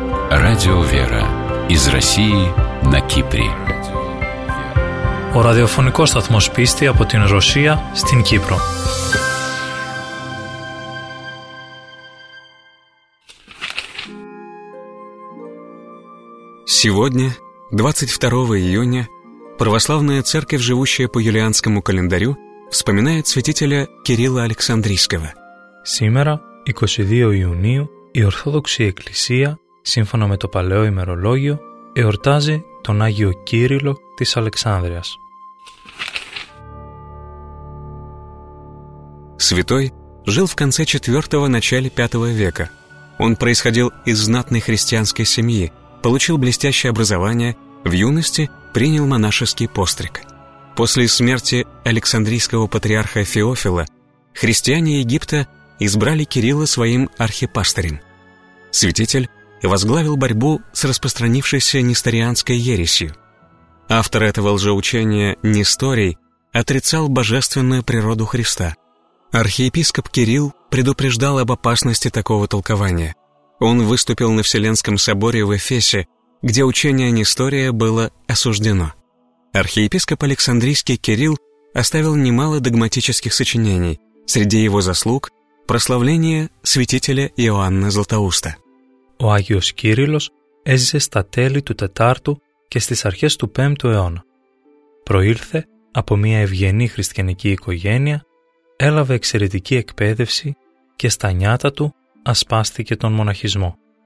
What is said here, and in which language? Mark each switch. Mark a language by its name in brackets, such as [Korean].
[Russian] Радио «Вера» из России на Кипре. [Greek] Ο ραδιοφωνικός σταθμός πίστη από την Ρωσία στην Κύπρο. [Russian] Сегодня, 22 июня, православная церковь, живущая по юлианскому календарю, вспоминает святителя Кирилла Александрийского. [Greek] Сегодня, 22 июня, η Ορθόδοξη Εκκλησία, σύμφωνα με το παλαιό ημερολόγιο, εορτάζει τον Άγιο Κύριλλο της Αλεξάνδρειας. [Russian] Святой жил в конце 4-го, начале 5-го века. Он происходил из знатной христианской семьи, получил блестящее образование, в юности принял монашеский постриг. После смерти Александрийского патриарха Феофила христиане Египта избрали Кирилла своим архипастырем. Святитель возглавил борьбу с распространившейся несторианской ересью. Автор этого лжеучения Несторий отрицал божественную природу Христа. Архиепископ Кирилл предупреждал об опасности такого толкования. Он выступил на Вселенском соборе в Эфесе, где учение Нестория было осуждено. Архиепископ Александрийский Кирилл оставил немало догматических сочинений. Среди его заслуг – Прославление святителя Иоанна Златоуста. [Greek] Ο Άγιος Κύριλλος έζησε στα τέλη του 4ου και στις αρχές του 5ου αιώνα. Προήλθε από μια ευγενή χριστιανική οικογένεια, έλαβε εξαιρετική εκπαίδευση και στα νιάτα του ασπάστηκε τον μοναχισμό.